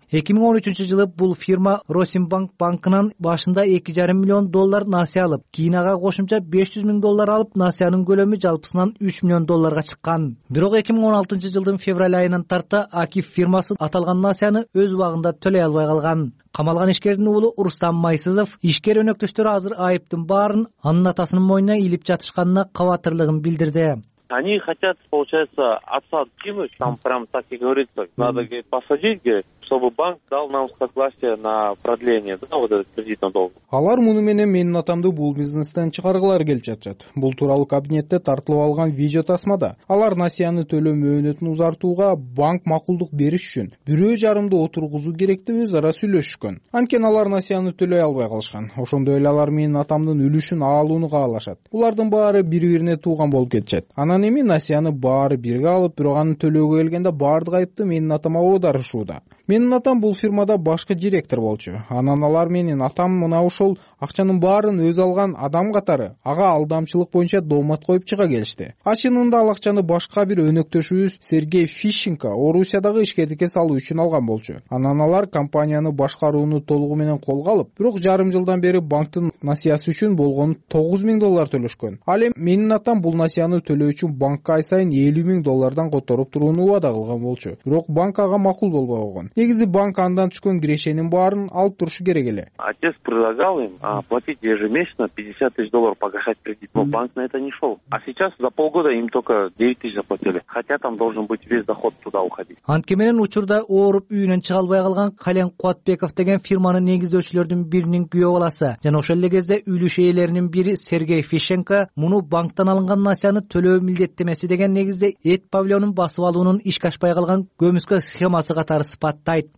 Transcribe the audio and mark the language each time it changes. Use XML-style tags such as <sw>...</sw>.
<ky>2013 жылы бул фирма Росинбанк банкынан башында 2,5 миллион доллар насыя алып, кийин ага кошумча 500 миң доллар алып, насыянын көлөмү жалпысынан 3 миллион долларга чыккан. Бирок 2016 жылдын февраль айынан тарта Акиф фирмасы аталган насыяны өз убагында төлөй албай калган. Камалган ишкердин уулу Рустам Майсызов ишкер өнөктөштөрү азыр айыптын баарын анын атасынын мойнуна илип жатышканына кабатырлыгын билдирди.</ky> <ru>Они хотят, получается, отца откинуть, там прям так и говорится, надо, говорит, посадить, говорит, чтобы банк дал нам согласие на продление, да, вот этот кредит на долг.</ru> <ky>Алар муну менен менин атамды бул бизнестен чыгаргылары келип жатышат. Бул тууралуу кабинетте тартылып алган видео тасмада. Алар насыяны төлөө мөөнөтүн узартууга банк макулдук бериш үчүн 1,5 жылды отургузуу керек деп өз ара сүйлөшүшкөн. Анткени алар насыяны төлөй албай калышкан. Ошондой эле алар менин атамдын үлүшүн алууну каалашат. Булардын баары бири бирине тууган болуп кетишет. Анан эми насыяны баары бирге алып, бирок анын төлөөгө келгенде баардык айыпты менин атама оодарышууда. Менин атам бул фирмада башкы директор болчу. Анан алар менин атам мына ушул акчанын баарын өз алган адам катары ага алдамчылык боюнча доомат коюп чыга келишти. Ачынында ал акчаны башка бир өнөктөшүбүз Сергей Фишенко Орусиядагы ишкерликке салуу үчүн алган болчу. Анан алар компанияны башкарууну толугу менен колго алып, бирок 1,5 жылдан бери банктын насыясы үчүн болгону 9,000 доллар төлөшкөн. Ал эми менин атам бул насыяны төлөө үчүн банкка ай сайын 50,000 доллардан которуп турууну убада кылган болчу. Бирок банк ага макул болбой койгон. Негизи банк андан түшкөн кирешенин баарын алып турушу керек эле.</ky> <ru>Отец предлагал им оплатить ежемесячно 50,000 долларов погашать кредит, но банк на это не шел. А сейчас за полгода им только 9,000 заплатили, хотя там должен быть весь доход туда уходить.</ru> <ky>Анткени менен учурда ооруп үйүнөн чыга албай калган Кален Кубатбеков деген фирманын негиздөөчүлөрдүн биринин күйөө баласы жана ошол эле кезде үлүш ээлеринин бири Сергей Фишенко муну банктан алынган насыяны төлөө милдеттемеси деген негизде эт павильонун басып алуунун ишке ашпай калган көмүскө схемасы катары сыпаттайт.</ky>